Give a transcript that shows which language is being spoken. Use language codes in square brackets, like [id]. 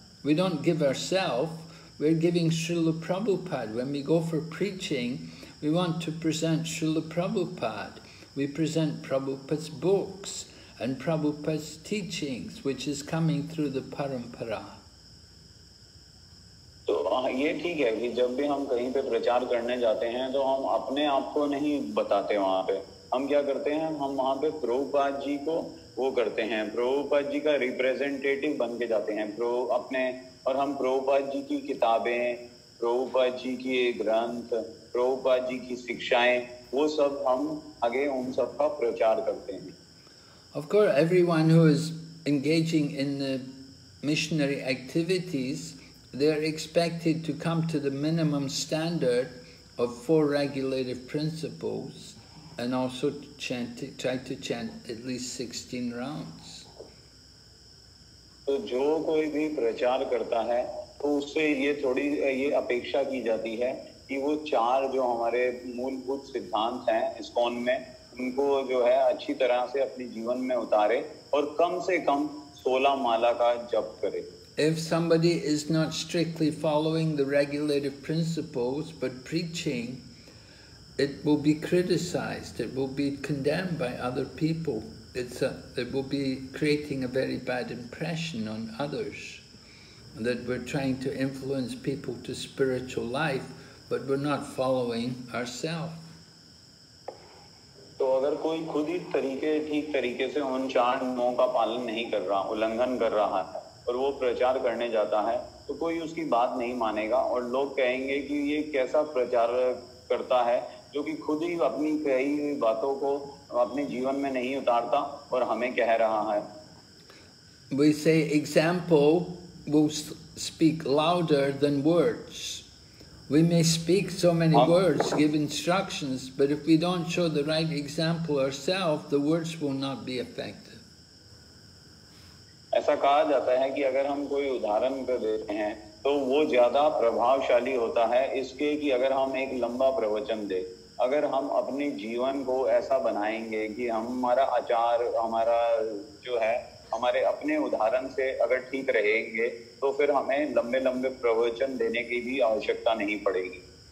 [en] We don't give ourselves, we're giving Srila Prabhupada. When we go for preaching, we want to present Srila Prabhupada. We present Prabhupada's books and Prabhupada's teachings, which is coming through the parampara. [hi] तो ये ठीक है कि जब भी हम कहीं पे प्रचार करने जाते हैं तो हम अपने आप को नहीं बताते वहाँ पे हम क्या करते हैं हम वहाँ पे प्रभुपाद जी को वो करते हैं प्रभुपाद जी का रिप्रेजेंटेटिव बन के जाते हैं प्रो अपने और हम प्रभुपाद जी की किताबें प्रभुपाद जी की ग्रंथ प्रभुपाद जी की शिक्षाएं वो सब हम आगे उन सब का प्रचार करते हैं. [en] Of course everyone who is engaging in the missionary activities they are expected to come to the minimum standard of four regulative principles and also try to chant at least 16 rounds. [hi] So, jo koi bhi prachar karta hai to usse ye thodi ye apeksha ki jati hai कि वो चार जो हमारे मूलभूत सिद्धांत हैं ISKCON में उनको जो है अच्छी तरह से अपने जीवन में उतारे और कम से कम 16 माला का जप करे. [en] If somebody is not strictly following the regulative principles but preaching, it will be criticized, it will be condemned by other people. It will be creating a very bad impression on others that we're trying to influence people to spiritual life, but we're not following ourselves. [hi] तो अगर कोई खुद ही तरीके ठीक तरीके से उन चार नियमों का पालन नहीं कर रहा, उल्लंघन कर रहा है, और वो प्रचार करने जाता है, तो कोई उसकी बात नहीं मानेगा और लोग कहेंगे कि ये कैसा प्रचार करता है, जो कि खुद ही अपनी कही हुई बातों को अपने जीवन में नहीं उतारता और हमें कह रहा है. [en] We say example will speak louder than words. We may speak so many words, give instructions, but if we don't show the right example ourselves, the words will not be effective. [hi] ऐसा कहा जाता है कि अगर हम कोई उदाहरण दे रहे हैं, तो वो ज़्यादा प्रभावशाली होता है इसके कि अगर हम एक लंबा प्रवचन दे. अगर हम अपने जीवन को ऐसा बनाएंगे कि हमारा आचार, हमारा जो है, हमारे अपने उदाहरण से अगर ठीक रहेंगे, तो फिर हमें लंबे लंबे प्रवचन देने की भी आवश्यकता नहीं पड़ेगी.